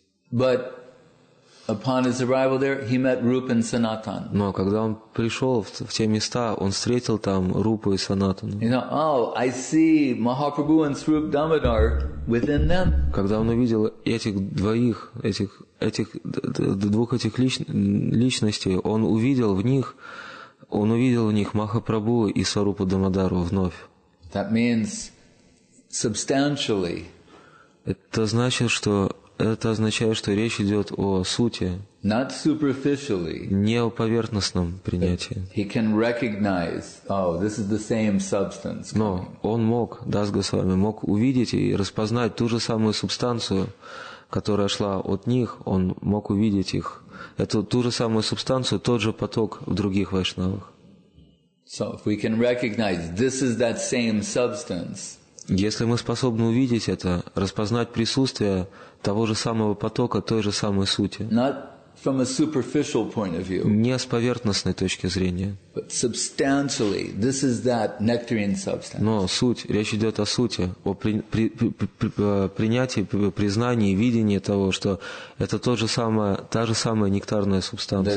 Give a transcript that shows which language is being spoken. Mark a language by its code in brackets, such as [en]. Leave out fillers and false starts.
[en] But upon his arrival there, he met Rupa and Sanatan. [ru] Но когда он пришел в те места, он встретил там Рупу и Санатану. [en] You know, oh, I see Mahaprabhu and Srup Damodar within them. [ru] Когда он увидел этих двух личностей, он увидел в них Махапрабху и Сварупу Дамодару вновь. [en] That means substantially. [ru] Это значит, что это означает, что речь идет о сути, [en] not superficially, [ru] не о поверхностном принятии. [en] He can recognize, oh, this is the same substance. [ru] Но он мог, Дас Госвами, мог увидеть и распознать ту же самую субстанцию, которая шла от них, он мог увидеть их. Это ту же самую субстанцию, тот же поток в других вайшнавах. [en] So if we can recognize this is that same substance. [ru] Если мы способны увидеть это, распознать присутствие того же самого потока, той же самой сути. [en] Not from a superficial point of view. [ru] Не с поверхностной точки зрения. [en] But substantially, this is that nectarine substance. [ru] Но суть, речь идет о сути, о принятии, признании, видении того, что это тот же самое, та же самая нектарная субстанция.